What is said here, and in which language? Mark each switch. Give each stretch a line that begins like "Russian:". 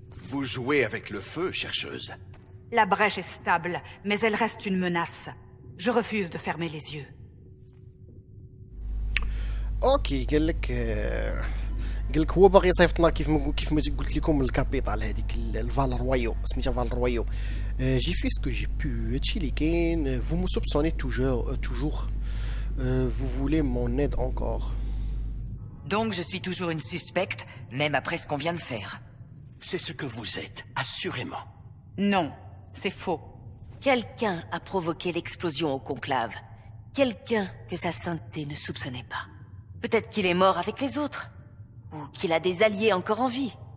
French: Vous jouez avec le feu, chercheuse. La brèche est stable, mais elle reste une menace. Je refuse de fermer les yeux.
Arabic: Ok, قال لك هو باغي يصيفطنا كيف ما قلت لكم الكابيتال هذيك الفالر رويو سميتها فالر رويو.
French: جي في سكو جي بو هادشي اللي كاين. فو مو سوبسوني توجور توجور فو فولي مون ايد انكور. Donc je suis toujours une suspecte, même après ce qu'on vient de faire. C'est ce que vous êtes, assurément. Non, c'est faux. Quelqu'un a provoqué l'explosion au conclave. Quelqu'un que sa sainteté ne soupçonnait pas. Peut-être qu'il est mort avec les autres. Ou qu'il a des alliés encore en vie.